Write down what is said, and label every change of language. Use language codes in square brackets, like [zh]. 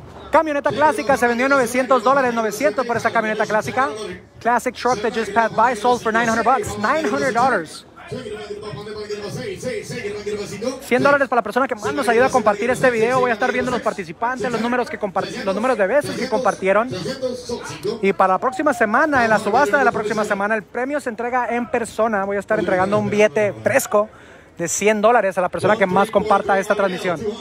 [es] Camioneta clásica se vendió $900, $900 por esta camioneta clásica. [en] Classic truck that just passed by sold for $900. $900. [es] $100 para la persona que más nos ayuda a compartir este video. Voy a estar viendo los participantes, los números de veces que compartieron. Y para la próxima semana, en la subasta de la próxima semana, el premio se entrega en persona. Voy a estar entregando un billete fresco de $100 a la persona que más comparta esta transmisión.